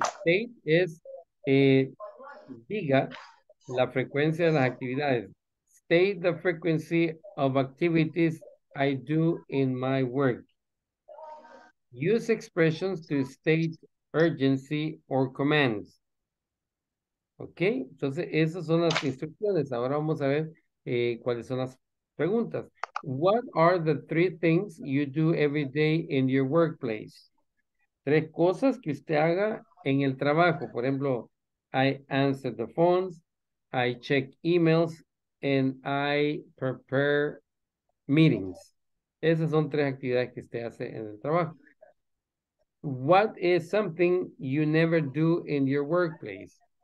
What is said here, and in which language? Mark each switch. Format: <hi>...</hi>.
<es>State es diga la frecuencia de las actividades.</es> <en>State the frequency of activities I do in my work. Use expressions to state urgency or commands.</en> <es>Ok, entonces esas son las instrucciones. Ahora vamos a ver cuáles son las preguntas.</es> <en>What are the three things you do every day in your workplace?</en> <es>Tres cosas que usted haga en el trabajo. Por ejemplo,</es> <en>I answer the phones, I check emails, and I prepare meetings.</en> <es>Esas son tres actividades que usted hace en el trabajo.</es> <en>What is something you never do in your workplace?</en>